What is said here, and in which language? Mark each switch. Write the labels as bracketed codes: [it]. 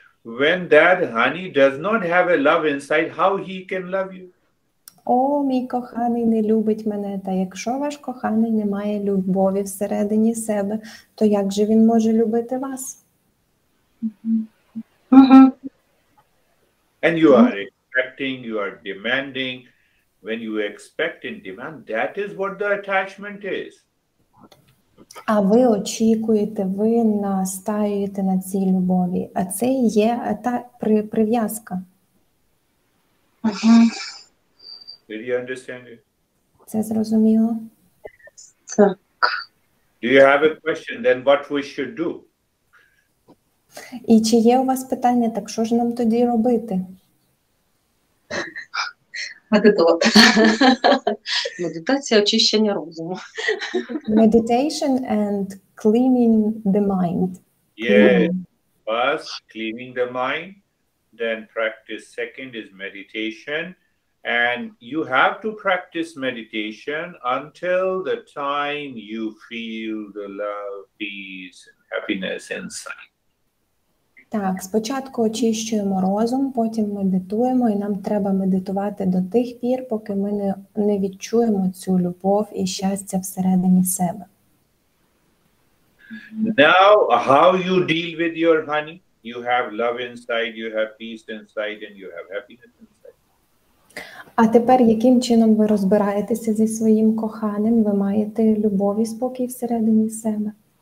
[en] When that honey does not have a love inside, how he can love you? [uk] О, мій коханий не любить мене. Та якщо ваш коханий не має любові всередині себе, то як же він може любити вас? [en] And you are expecting, you are demanding. When you expect and demand, that is what the attachment is. [uk] А ви очікуєте, ви настаюєте на цій любові. А це є та прив'язка. [en] Did you understand it? [uk] Це зрозуміло? Так. [en] Do you have a question? Then what we should do? [uk] І чи є у вас питання, так що ж нам тоді робити? Медитація, очищення розуму. [en] Meditation and cleaning the mind. Yes, first cleaning the mind, then practice second is meditation. And you have to practice meditation until the time you feel the love, peace, and happiness inside. [uk] Так, спочатку очищуємо розум, потім медитуємо, і нам треба медитувати до тих пір, поки ми не відчуємо цю любов і щастя всередині себе. [en] Now, how you deal with your honey? You have love inside, you have peace inside, and you have happiness inside. [uk] А тепер, яким чином ви розбираєтеся зі своїм коханим? Ви маєте любов і спокій всередині себе?